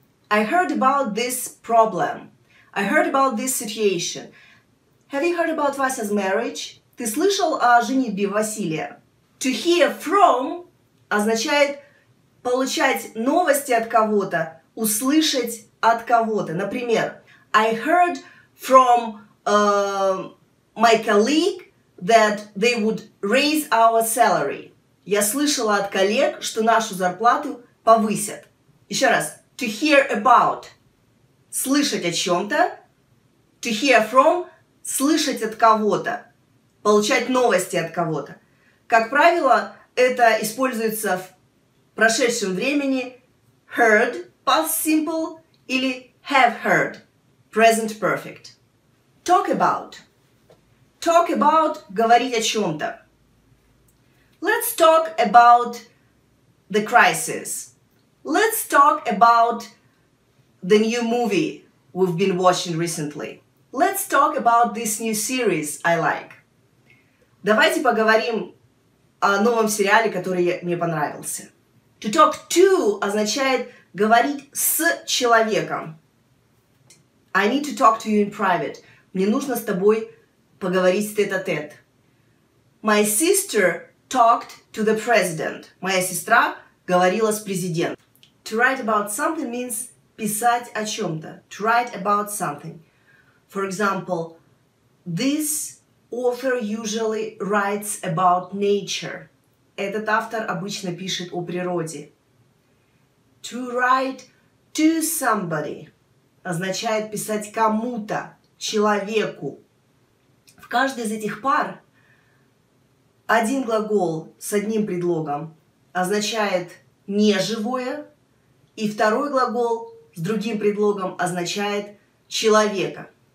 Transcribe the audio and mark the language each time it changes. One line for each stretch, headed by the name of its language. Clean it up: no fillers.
English: I heard about this problem. I heard about this situation. Have you heard about Vasya's marriage?
Russian: Ты слышал о женитьбе Василия?
English: To hear from
Russian: означает получать новости от кого-то, услышать от кого-то. Например,
English: I heard from my colleague that they would raise our salary.
Russian: Я слышала от коллег, что нашу зарплату повысят. Еще раз,
English: to hear about,
Russian: слышать о чем-то,
English: to hear from,
Russian: слышать от кого-то, получать новости от кого-то. Как правило, это используется в прошедшем времени
English: heard, past simple,
Russian: или
English: have heard, present perfect. Talk about. Talk about,
Russian: говорить о чем-то.
English: Let's talk about the crisis. Let's talk about the new movie we've been watching recently. Let's talk about this new series I like.
Russian: Давайте поговорим о новом сериале, который мне понравился.
English: To talk to
Russian: означает говорить с человеком.
English: I need to talk to you in private.
Russian: Мне нужно с тобой поговорить тет-а-тет.
English: My sister talked to the president.
Russian: Моя сестра говорила с президентом.
English: To write about something means
Russian: писать о чем-то.
English: To write about something. For example, this author usually writes about nature.
Russian: Этот автор обычно пишет о природе.
English: To write to somebody
Russian: означает писать кому-то, человеку. В каждой из этих пар один глагол с одним предлогом означает неживое, и второй глагол с другим предлогом означает человека.